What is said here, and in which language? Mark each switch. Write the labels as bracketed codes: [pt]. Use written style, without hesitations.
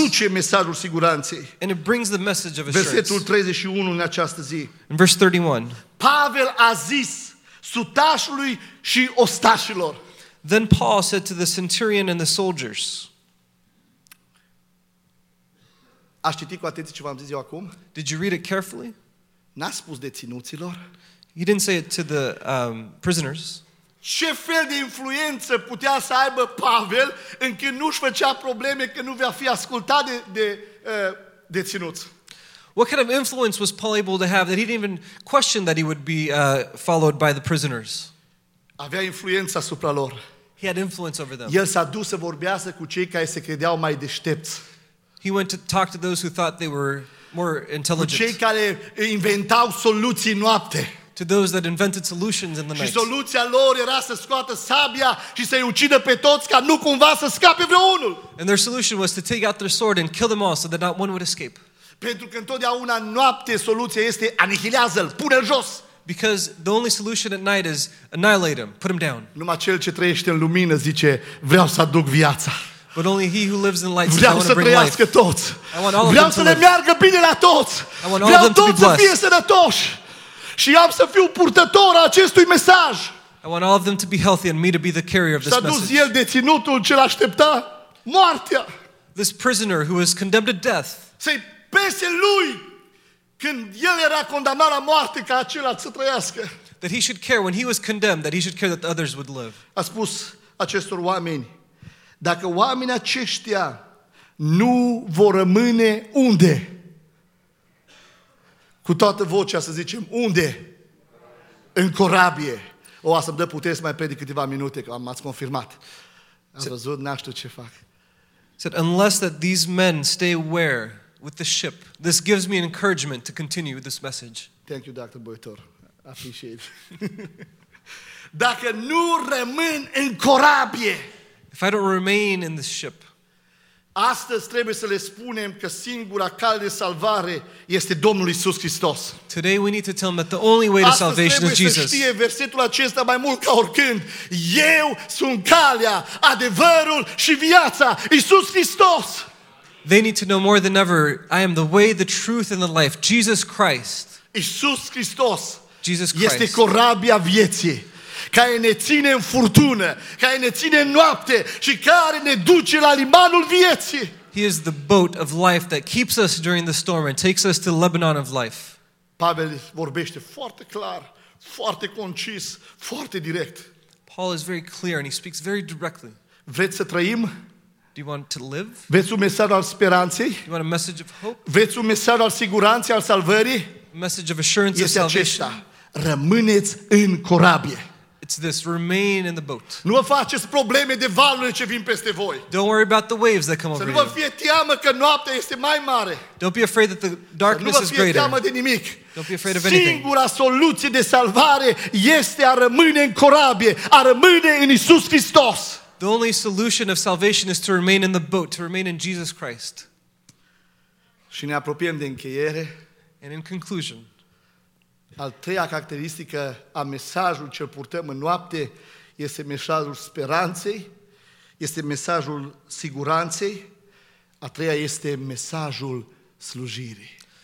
[ro] Aduce mesajul siguranței. [en] And it brings the message of assurance. [ro] Versetul 31 în această zi. [en] In verse 31. [ro] Pavel a zis sutașului și ostașilor. [en] Then Paul said to the centurion and the soldiers. [ro] Aș citi cu atenție ce v-am zis eu acum? [en] Did you read it carefully? [ro] N-a spus deținuților. [en] He didn't say it to the prisoners. [ro] Ce fel de influență putea să aibă Pavel încât nu-și făcea probleme că nu va fi ascultat de ținuți? [en] What kind of influence was Paul able to have that he didn't even question that he would be followed by the prisoners? [ro] Avea influență asupra lor. [en] He had influence over them. [ro] El s-a dus să vorbească cu cei care se credeau mai deștepți. [en] He went to talk to those who thought they were more intelligent. [ro] Cu cei care inventau soluții noapte. [en] To those that invented solutions in the night. [ro] Și soluția lor era să scoată sabia și să-i ucidă pe toți ca nu cumva să scape vreunul. [en] And their solution was to take out their sword and kill them all so that not one would escape. [ro] Pentru că întotdeauna noapte soluția este anihilează-l, pune-l jos. [en] Because the only solution at night is annihilate him, put him down. [ro] Numai cel ce trăiește în lumină zice, vreau să aduc viața. [en] But only he who lives in light [ro] vreau [en] says, I want to bring life. [ro] Toți. [en] I want all [ro] vreau [en] of them [ro] să le meargă bine la toți. [en] I want all [ro] vreau [en] of them to be blessed. [ro] Să fie sănătoși. Și am să fiu purtător a acestui mesaj. [en] I want all of them to be healthy and me to be the carrier of this message. [ro] S-a dus el deținutul ce l-aștepta moartea. [en] This prisoner who was condemned to death. [ro] Să-i pese lui când el era condamnat la moarte ca acela să trăiască. [en] That he should care when he was condemned, that he should care that others would live. [ro] A spus acestor oameni, dacă oamenii aceștia nu vor rămâne unde? Cu toată vocea să zicem, unde? În corabie. O, să-mi dă putere să mai predic câteva minute, că m-ați confirmat. Am văzut, n-aș știu ce fac. [en] Said, unless that these men stay where? With the ship. This gives me an encouragement to continue with this message. Thank you, Dr. Boitor. Appreciate. [ro] Dacă nu rămân în corabie, [en] if I don't remain in the ship, [ro] astăzi trebuie să le spunem că singura cale de salvare este Domnul Iisus Hristos. [en] Today we need to tell them that the only way to salvation is Jesus. [ro] Astăzi trebuie să știe versetul acesta mai mult ca oricând. Eu sunt calea, adevărul și viața. Iisus Hristos. [en] They need to know more than ever, I am the way, the truth, and the life. Jesus Christ. [ro] Iisus Hristos. [en] Jesus Christ. [ro] Este corabia vieții. Care ne ține în furtună, care ne ține în noapte și care ne duce la limanul vieții. [en] He is the boat of life that keeps us during the storm and takes us to Lebanon of life. [ro] Pavel vorbește foarte clar, foarte concis, foarte direct. [en] Paul is very clear and he speaks very directly. [ro] Vreți să trăim? [en] Do you want to live? [ro] Vreți un mesaj al speranței? [en] You want a message of hope? [ro] Vreți un mesaj al siguranței, al salvării? [en] A message of assurance of salvation. [ro] Este acesta. Rămâneți în corabie. [en] It's this, remain in the boat. [ro] Nu vă faceți probleme de valurile ce vin peste voi. [en] Don't worry about the waves that come over you. [ro] Să nu vă fie teamă că noaptea este mai mare. [en] Don't be afraid that the darkness is greater. [ro] Să nu vă fie teamă de nimic. [en] Don't be afraid of anything. [ro] Singura soluție de salvare este a rămâne în corabie, a rămâne în Iisus Hristos. [en] The only solution of salvation is to remain in the boat, to remain in Jesus Christ. [ro] Și ne apropiem de încheiere. [en] And in conclusion, [ro] a treia caracteristică a mesajului ce purtăm în noapte este mesajul speranței, este mesajul siguranței, a treia este mesajul slujirii.